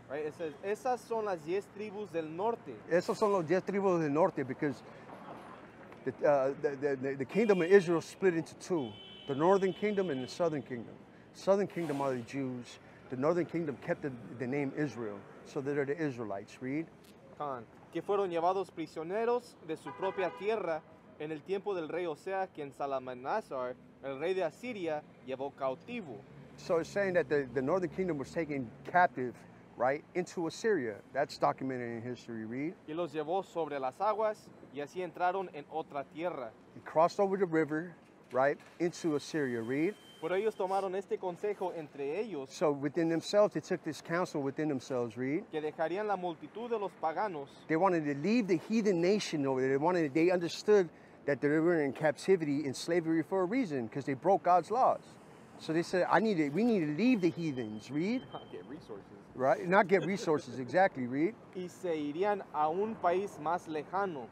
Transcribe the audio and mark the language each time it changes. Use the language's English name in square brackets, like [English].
[English] Right? It says, [Spanish] Esas son las 10 tribus del norte. Esas son las 10 tribus del norte, [English] because the kingdom of Israel split into two, the northern kingdom and the southern kingdom. Southern kingdom are the Jews. The northern kingdom kept the name Israel. So they're the Israelites. Read. [Spanish] que fueron llevados prisioneros de su propia tierra en el tiempo del rey Oseas, quien Salmanasar, el rey de Asiria, llevó cautivo. [English] So it's saying that the northern kingdom was taken captive, right, into Assyria. That's documented in history, read. [Spanish] Y los llevó sobre las aguas, y así entraron en otra tierra. [English] He crossed over the river, right, into Assyria, read. [Spanish] Pero ellos tomaron este consejo entre ellos. [English] So within themselves, they took this counsel within themselves, read. [Spanish] Que dejarían la multitud de los paganos. [English] They wanted to leave the heathen nation over there. They understood that they were in captivity, in slavery for a reason, because they broke God's laws. So they said, we need to leave the heathens, read. Not get resources. Right, not get resources, exactly, read. [Spanish] Y se irían a un país más lejano.